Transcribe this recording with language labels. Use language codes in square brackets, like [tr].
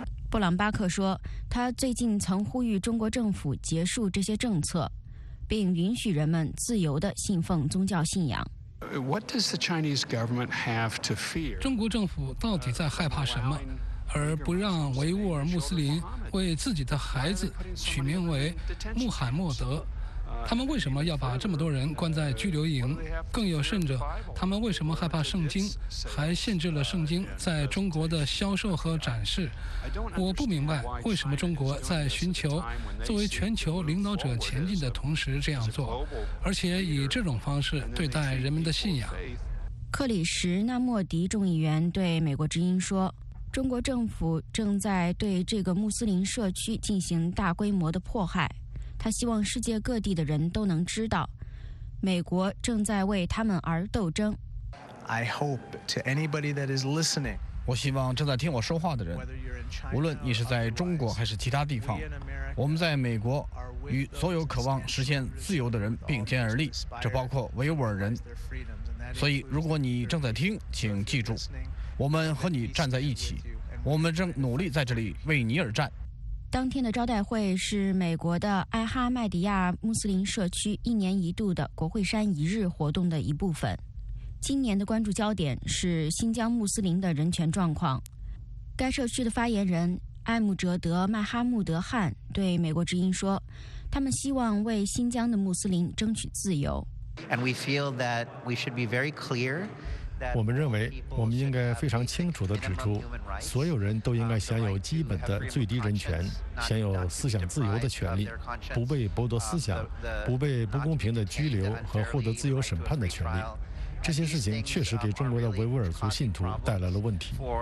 [zh] 布朗巴克说，他最近曾呼吁中国政府结束这些政策。并允许人们自由地信奉宗教信仰。 [en] What does the Chinese government have to fear? [zh] 中国政府到底在害怕什么？而不让维吾尔穆斯林为自己的孩子取名为穆罕默德，他们为什么要把这么多人关在拘留营？更有甚者，他们为什么害怕圣经，还限制了圣经在中国的销售和展示？我不明白为什么中国在寻求作为全球领导者前进的同时这样做，而且以这种方式对待人们的信仰。克里什纳莫迪众议员对美国之音说，中国政府正在对这个穆斯林社区进行大规模的迫害，他希望世界各地的人都能知道，美国正在为他们而斗争。 [en] I hope to anybody that is listening, [zh] 我希望正在听我说话的人，无论你是在中国还是其他地方，我们在美国与所有渴望实现自由的人并肩而立，这包括维吾尔人。所以，如果你正在听，请记住，我们和你站在一起，我们正努力在这里为你而战。当天的招待会是美国的艾哈迈迪亚穆斯林社区一年一度的国会山一日活动的一部分。今年的关注焦点是新疆穆斯林的人权状况。该社区的发言人艾姆哲德·麦哈穆德·汗对美国之音说，他们希望为新疆的穆斯林争取自由。 [en] And we feel that we should be very clear. [zh] 我们认为我们应该非常清楚地指出，所有人都应该享有基本的最低人权，享有思想自由的权利，不被剥夺思想，不被不公平的拘留和获得自由审判的权利。这些事情确实给中国的维吾尔族信徒带来了问题。